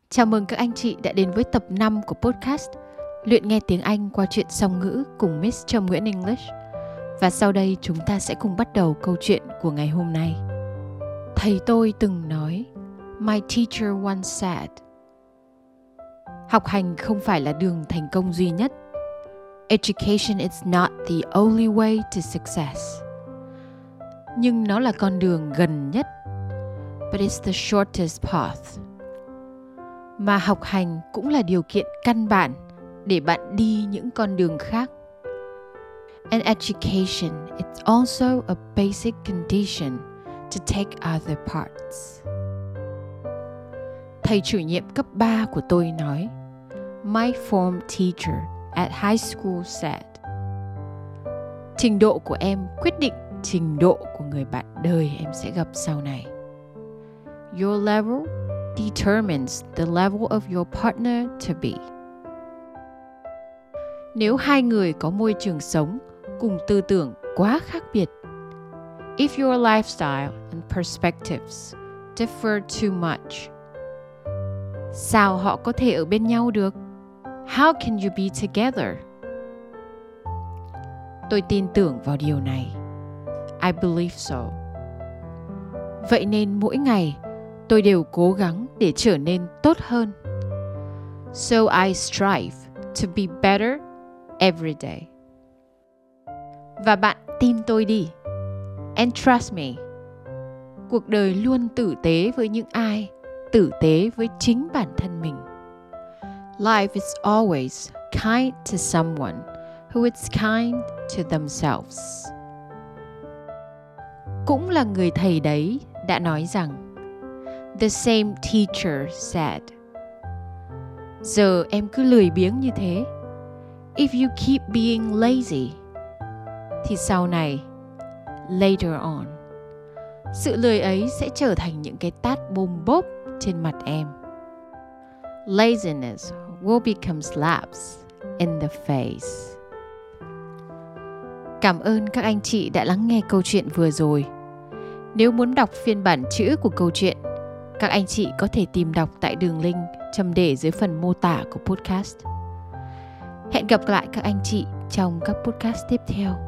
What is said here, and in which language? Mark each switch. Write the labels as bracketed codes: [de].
[vi] Chào mừng các anh chị đã đến với tập 5 của podcast Luyện nghe tiếng Anh qua chuyện song ngữ cùng Miss Trâm Nguyễn English. Và sau đây chúng ta sẽ cùng bắt đầu câu chuyện của ngày hôm nay. Thầy tôi từng nói, [en] My teacher once said, [vi] học hành không phải là đường thành công duy nhất. [en] Education is not the only way to success. [vi] Nhưng nó là con đường gần nhất. [en] But it's the shortest path. [vi] Mà học hành cũng là điều kiện căn bản để bạn đi những con đường khác. [en] And education is also a basic condition to take other parts. [vi] Thầy chủ nhiệm cấp 3 của tôi nói, [en] My form teacher at high school said, [vi] trình độ của em quyết định trình độ của người bạn đời em sẽ gặp sau này. [en] Your level determines the level of your partner to be. [vi] Nếu hai người có môi trường sống cùng tư tưởng quá khác biệt, [en] if your lifestyle and perspectives differ too much, [vi] sao họ có thể ở bên nhau được? [en] How can you be together? [vi] Tôi tin tưởng vào điều này. [en] I believe so. [vi] Vậy nên mỗi ngày tôi đều cố gắng để trở nên tốt hơn. [en] So I strive to be better every day. [vi] Và bạn tin tôi đi. [en] And trust me. [vi] Cuộc đời luôn tử tế với những ai tử tế với chính bản thân mình. [en] Life is always kind to someone who is kind to themselves. [vi] Cũng là người thầy đấy đã nói rằng, [en] the same teacher said, [vi] giờ em cứ lười biếng như thế, [en] if you keep being lazy, [vi] thì sau này, [en] later on, [vi] sự lười ấy sẽ trở thành những cái tát bùm bốp trên mặt em. [en] Laziness will become slaps in the face. [vi] Cảm ơn các anh chị đã lắng nghe câu chuyện vừa rồi. Nếu muốn đọc phiên bản chữ của câu chuyện, các anh chị có thể tìm đọc tại đường link Trâm để dưới phần mô tả của podcast. Hẹn gặp lại các anh chị trong các podcast tiếp theo.